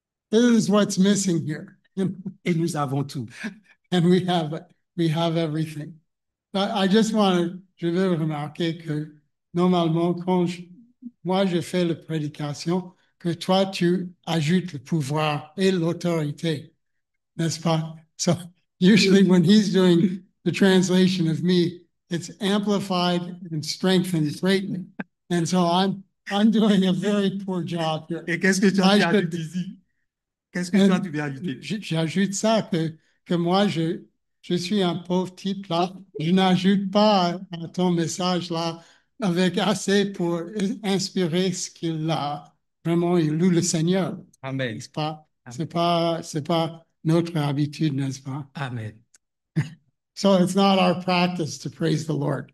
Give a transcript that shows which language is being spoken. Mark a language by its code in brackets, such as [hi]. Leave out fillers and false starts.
[en] This is what's missing here. [fr] Et nous avons tout. [en] And we have everything. But I just want to [fr] remarquer que normalement, quand moi je fais la prédication, que toi tu ajoutes le pouvoir et l'autorité, n'est-ce pas? [en] So usually when he's doing the translation of me, it's amplified and strengthened greatly. And so I'm doing a very poor job here. [fr] Et qu'est-ce que tu as ajouté ici? Qu'est-ce que toi tu veux ajouter? J'ajoute ça que moi je suis un pauvre type là. Je n'ajoute pas à ton message là avec assez pour inspirer ce qu'il a. Vraiment, il loue le Seigneur. Amen. C'est pas notre habitude, n'est-ce pas? Amen. [en] So it's not our practice to praise the Lord.